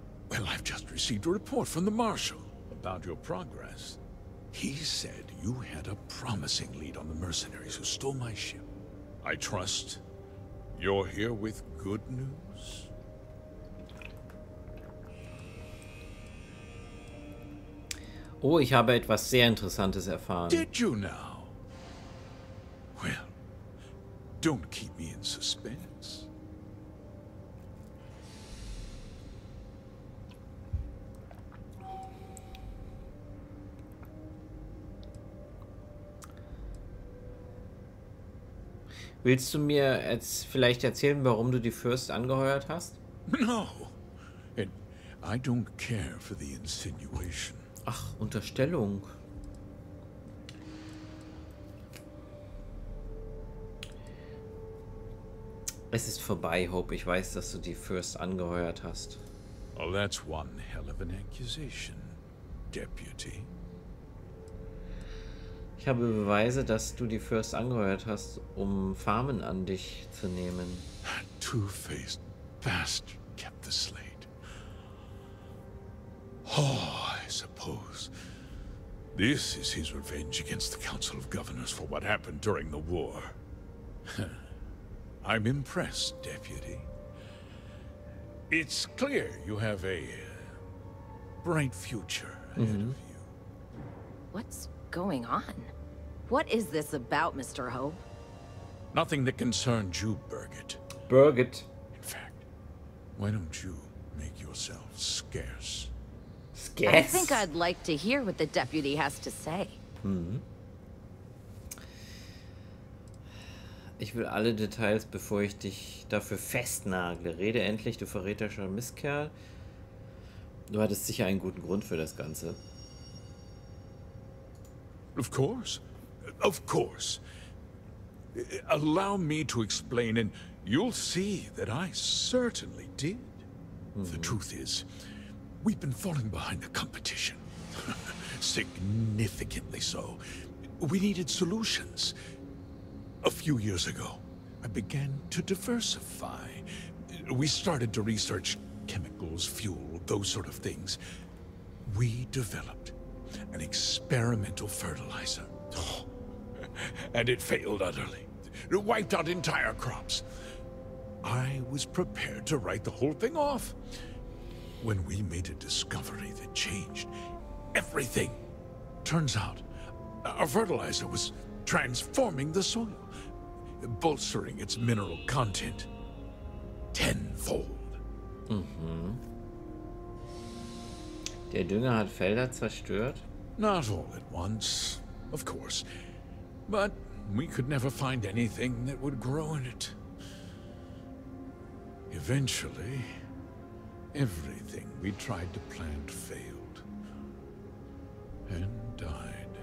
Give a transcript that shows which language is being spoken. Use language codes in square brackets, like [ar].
[en] Well, I've just received a report from the Marshal about your progress. He said you had a promising lead on the mercenaries who stole my ship. I trust you're here with good news? [de] Oh, ich habe etwas sehr Interessantes erfahren. [en] Did you now? Well, don't keep me in suspense. [de] Willst du mir jetzt vielleicht erzählen, warum du die Fürst angeheuert hast? [en] No. And I don't care for the insinuation. [de] Ach, Unterstellung. Es ist vorbei, Hope. Ich weiß, dass du die Fürst angeheuert hast. [en] Well, that's one hell of an accusation, Deputy. [de] Ich habe Beweise, dass du die Fürst angeheuert hast, um Farmen an dich zu nehmen. [en] That two-faced bastard kept the slate. Oh, I suppose this is his revenge against the Council of Governors for what happened during the war. I'm impressed, Deputy. It's clear you have a bright future ahead of you. What's going on? What is this about, Mr. Hope? Nothing that concerns you, Birgit. Birgit. In fact, why don't you make yourself scarce? Scarce? I think I'd like to hear what the deputy has to say. [de] Ich will alle Details, bevor ich dich dafür festnagle. Rede endlich, du verräterischer Mistkerl. Du hattest sicher einen guten Grund für das Ganze. [en] Of course. Of course. Allow me to explain, and You'll see that I certainly did. Mm-hmm. The truth is, we've been falling behind the competition. Significantly so. We needed solutions. A few years ago, I began to diversify. We started to research chemicals, fuel, those sort of things. We developed an experimental fertilizer. Oh. And it failed utterly. It wiped out entire crops. I was prepared to write the whole thing off. When we made a discovery that changed everything. Turns out, our fertilizer was transforming the soil, bolstering its mineral content tenfold. Mhm. [de] Der Dünger hat Felder zerstört? [en] Not all at once, of course. But we could never find anything that would grow in it. Eventually, everything we tried to plant failed and died.